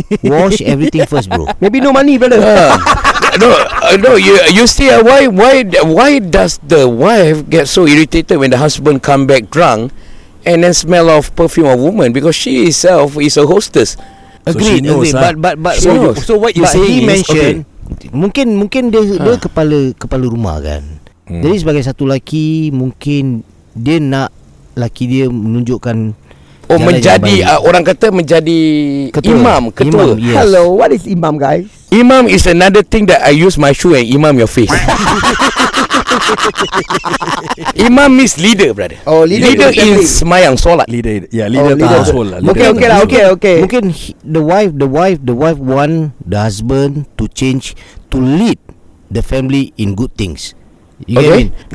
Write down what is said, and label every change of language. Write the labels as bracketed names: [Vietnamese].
[English] Wash everything first, bro. Maybe no money, brother. No. You see, why does the wife get so irritated when the husband come back drunk, and then smell of perfume of woman because she herself is a hostess. Agreed. So knows, but so, you, so what you say? He mentioned. Okay. [Malay] Mungkin dia dia kepala rumah kan. Jadi sebagai satu lelaki mungkin dia nak lelaki dia menunjukkan. Oh, menjadi orang kata menjadi ketua. Imam. [English] Yes. Hello, what is imam, guys? Imam is another thing that I use my shoe and imam your face. Imam is leader, brother. Oh, leader [Malay] is semayang solat. [English] Leader [Malay] solat. Okay. Mungkin [English] the wife want the husband to change to lead the family in good things. You get me? Okay.